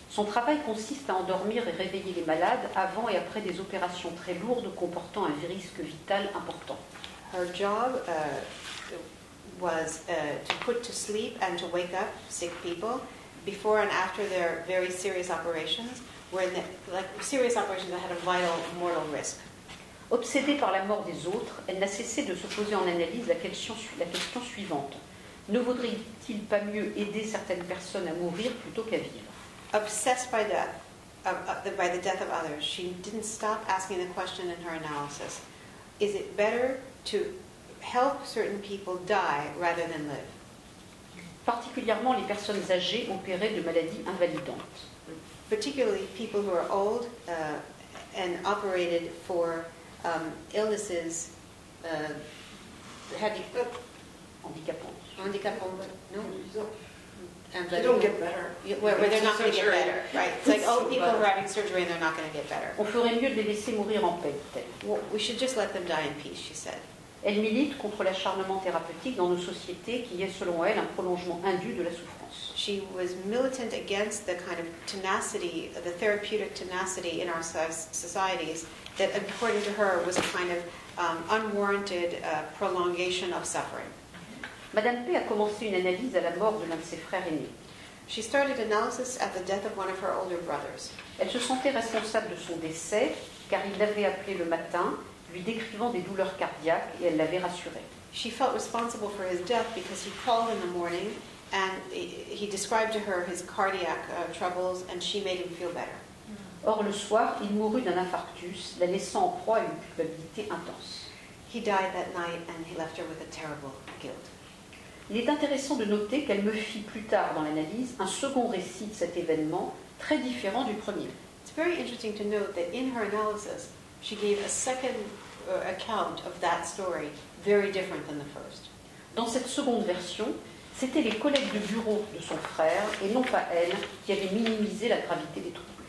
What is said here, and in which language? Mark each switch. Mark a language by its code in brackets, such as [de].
[fr] Son travail consiste à endormir et réveiller les malades avant et après des opérations très lourdes comportant un risque vital important. [en] Her job was to put to sleep and to wake up sick people before and after their very serious operations, serious operations that had a vital, mortal risk. [fr] Obsédée par la mort des autres, elle n'a cessé de se poser en analyse la question suivante. Ne vaudrait-il pas mieux aider certaines personnes à mourir plutôt qu'à vivre? [en] Obsessed by death, by the death of others, she didn't stop asking the question in her analysis. Is it better to help certain people die rather than live? [fr] Particulièrement les personnes âgées opérées de maladies invalidantes. [en] Particularly people who are old and operated for illnesses, [fr] handicapantes. Handicapantes, non? [en] and they don't get better. Where they're not going to get better, right? It's like, oh, people who are having surgery and they're not going to get better. [fr] On ferait mieux de les laisser mourir en paix, peut-être. [en] Well, we should just let them die in peace, she said. [fr] Elle milite contre l'acharnement thérapeutique dans nos sociétés qui est, selon elle, un prolongement indu de la souffrance. [en] She was militant against the kind of tenacity, the therapeutic tenacity in our societies that, according to her, was a kind of unwarranted prolongation of suffering. [fr] Madame P. a commencé une analyse à la mort de l'un de ses frères aînés. [en] She started analysis at the death of one of her older brothers. [fr] Elle se sentait responsable de son décès car il l'avait appelé le matin, lui décrivant des douleurs cardiaques et elle l'avait rassuré. [en] She felt responsible for his death because he called in the morning and he described to her his cardiac troubles and she made him feel better. [fr] Or le soir, il mourut d'un infarctus, la laissant en proie à une culpabilité intense. [en] He died that night and he left her with a terrible guilt. [fr] Il est intéressant de noter qu'elle me fit plus tard dans l'analyse un second récit de cet événement très différent du premier. [en] It's very interesting to note that in her analysis, she gave a second account of that story very different than the first. [fr] Dans cette seconde version, c'était les collègues de bureau de son frère et non pas elle qui avaient minimisé la gravité des troubles.